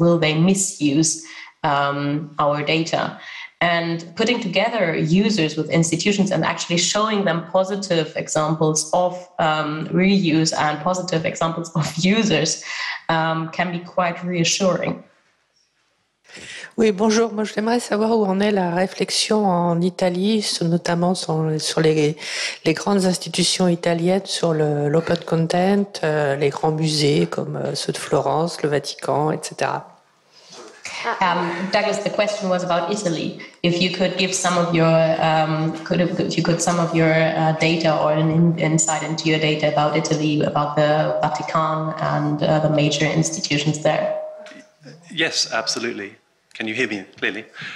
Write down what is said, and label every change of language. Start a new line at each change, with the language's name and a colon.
English: Will they misuse our data? And putting together users with institutions and actually showing them positive examples of reuse and positive examples of users can be quite reassuring.
French: Oui, bonjour. Moi, j'aimerais savoir où en est la réflexion en Italie, notamment sur les grandes institutions italiennes, sur l'open content, les grands musées comme ceux de Florence, le Vatican, etc.
English: Douglas, the question was about Italy. If you could give some of your, data or an insight into your data about Italy, about the Vatican and the major institutions there. Yes, absolutely. Can you hear me clearly?